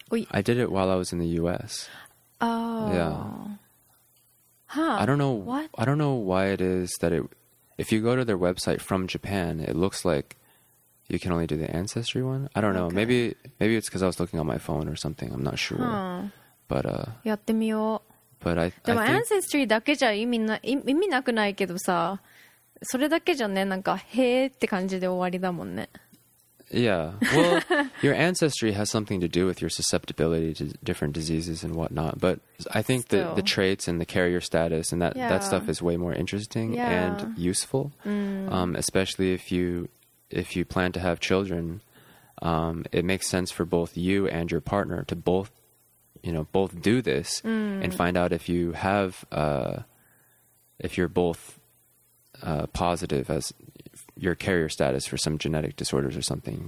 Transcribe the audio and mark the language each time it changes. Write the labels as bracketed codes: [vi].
[en] I did it while I was in the U.S. Oh, yeah. Huh. I don't know what I don't know why it is that it. If you go to their website from Japan, it looks like you can only do the ancestry one. I don't know. Okay. Maybe it's because I was looking on my phone or something. I'm not sure. Huh. But, [ja] やってみよう。 [en] But I [ja] でも ancestry だけじゃ意味なくないけどさ、それだけじゃね、なんか、へーって感じで終わりだもんね。 [en] Yeah. Well, your ancestry has something to do with your susceptibility to different diseases and whatnot. But I think the traits and the carrier status and that stuff is way more interesting and useful. Mm. Especially if you plan to have children, it makes sense for both you and your partner to both, you know, both do this and find out if you have, if you're both positive as your carrier status for some genetic disorders or something.